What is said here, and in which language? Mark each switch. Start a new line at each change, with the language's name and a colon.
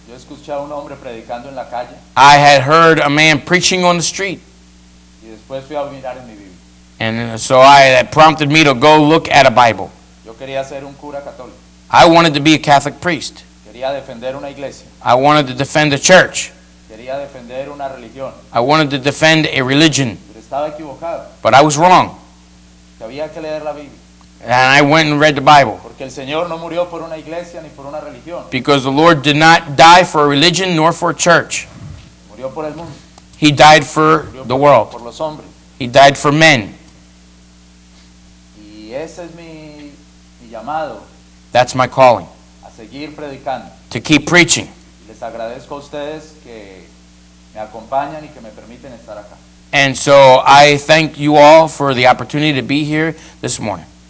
Spanish: Yo escuché a un hombre predicando en la calle.
English: I had heard a man preaching on the street.
Spanish: Y después fui a mirar en mi Biblia.
English: And so that prompted me to go look at a Bible.
Spanish: Yo quería ser un cura católico.
English: I wanted to be a Catholic priest.
Spanish: Quería defender una iglesia.
English: I wanted to defend a church.
Spanish: Quería defender una religión.
English: I wanted to defend a religion.
Spanish: Pero estaba equivocado.
English: But I was wrong.
Spanish: Que había que leer la Biblia.
English: And I went and read the Bible.
Spanish: Porque el Señor no murió por una iglesia ni por una religión.
English: Because the Lord did not die for a religion nor for a church.
Spanish: Murió por el mundo.
English: He died for the world.
Spanish: Por los hombres.
English: He died for men.
Spanish: Y ese es mi llamado.
English: That's my calling.
Spanish: A seguir predicando.
English: To keep preaching.
Spanish: Les agradezco a ustedes que me acompañan y que me permiten estar acá.
English: And so I thank you all for the opportunity to be here this morning.